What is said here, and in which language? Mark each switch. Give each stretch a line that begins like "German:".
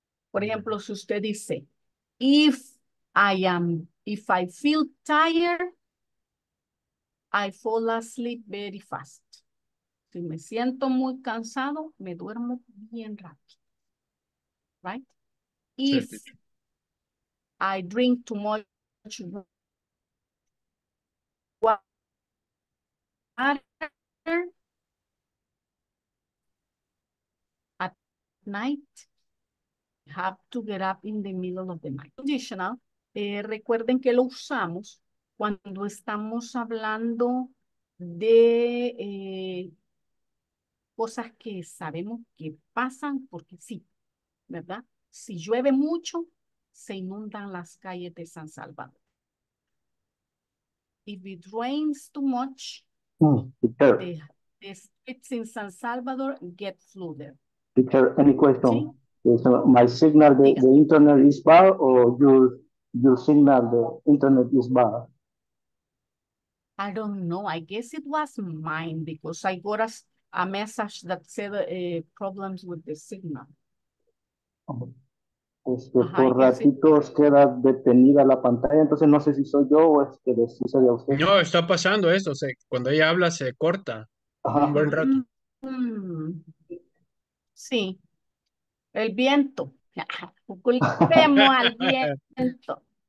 Spanish: Por ejemplo, si usted dice,
English: if I feel tired, I fall asleep very fast.
Spanish: Si me siento muy cansado, me duermo bien rápido.
English: Right? If I drink too much water, at night, have to get up in the middle of the night.
Spanish: Conditional, recuerden que lo usamos cuando estamos hablando de cosas que sabemos que pasan porque sí, ¿verdad? Si llueve mucho, se inundan las calles de San Salvador.
English: If it rains too much, the streets in San Salvador get flooded. Teacher, any question? ¿Sí? So my signal, the internet is bad, or your signal, the internet is bad? I don't know. I guess it was mine because I got a message that said problems with the signal.
Spanish: Por ratitos queda detenida la pantalla, entonces no sé si soy yo o es que le sucede a usted. No, está pasando eso, o sea, cuando ella habla se corta. Ajá. Un buen rato. Sí, el viento. Culpemos al viento.